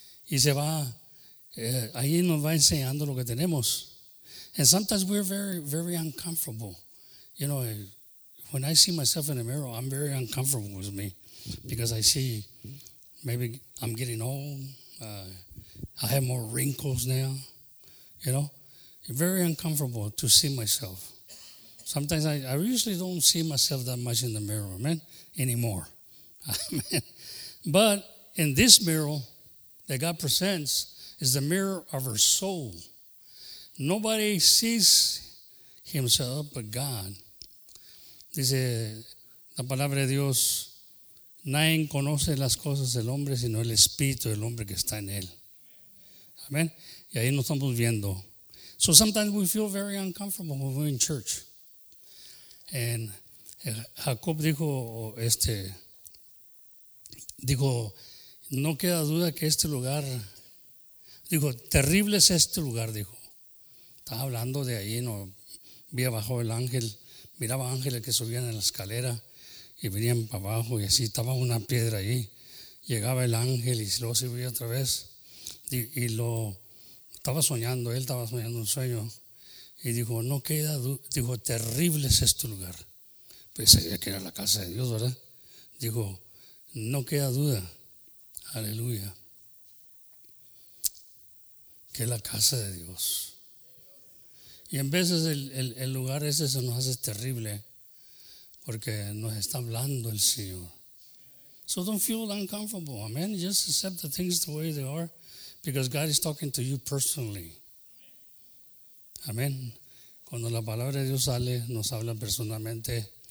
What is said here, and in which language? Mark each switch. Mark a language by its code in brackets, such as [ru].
[es] Y se va, ahí nos va enseñando lo que tenemos. [en] And sometimes we're very, very uncomfortable. You know, when I see myself in the mirror, I'm very uncomfortable with me because I see maybe I'm getting old. I have more wrinkles now, you know. Very uncomfortable to see myself. Sometimes I usually don't see myself that much in the mirror, man, anymore. But in this mirror that God presents is the mirror of our soul. Nobody sees himself but God. [es] Dice la palabra de Dios, nadie conoce las cosas del hombre sino el espíritu del hombre que está en él. Amen. Y ahí nos estamos viendo. [en] So sometimes we feel very uncomfortable when we're in church. [es] And Jacob dijo, dijo, no queda duda que este lugar, dijo, terrible es este lugar, dijo. Estaba hablando de ahí, no vi abajo el ángel, miraba ángeles que subían en la escalera y venían para abajo y así estaba una piedra ahí. Llegaba el ángel y luego se veía otra vez y lo estaba soñando, él estaba soñando un sueño y dijo, no queda duda, dijo, terrible es este lugar. Pues sabía que era la casa de Dios, ¿verdad? Dijo, no queda duda, aleluya, que es la casa de Dios. Y en veces el lugar ese se nos hace terrible porque nos está hablando el Señor. [en] So don't feel uncomfortable, amen. Just accept the things the way they are because God is talking to you personally. Amen. [es] Cuando la palabra de Dios sale, nos habla personalmente.